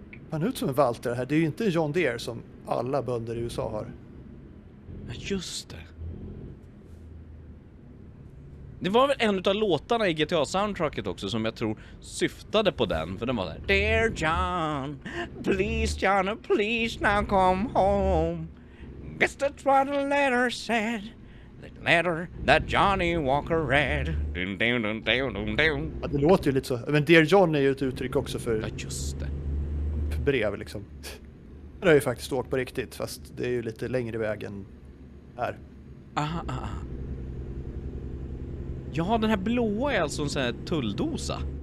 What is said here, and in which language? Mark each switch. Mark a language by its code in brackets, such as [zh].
[sv] Han är ut som en Walter här. Det är ju inte John Deere som alla bönder i USA har. Ja, just det. Det var väl en av låtarna i GTA-soundtracket också som jag tror syftade på den. För den var där. [en] Dear John, please John, please now come home. Guess that's what the letter said. The letter that Johnny Walker read. Dun, dun, dun, [sv] dun, dun, dun. Ja, det låter ju lite så. Men Dear John är ju ett uttryck också för... Ja, just det. Brev liksom. Det har ju faktiskt åkt på riktigt, fast det är ju lite längre vägen här. Aha. Ja, den här blåa är alltså en sån här tulldosa.